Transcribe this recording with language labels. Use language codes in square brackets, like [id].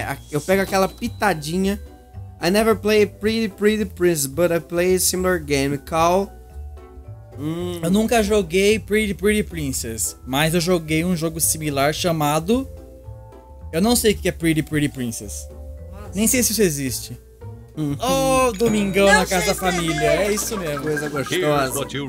[pt] Eu pego aquela pitadinha. [en] I never play Pretty Prince, but I play a similar game. Call. [pt] Eu nunca joguei Pretty Princess, mas eu joguei um jogo similar chamado... Eu não sei o que é Pretty Princess. Nossa. Nem sei se isso existe. Oh, Domingão na casa da família. É isso mesmo. Coisa gostosa.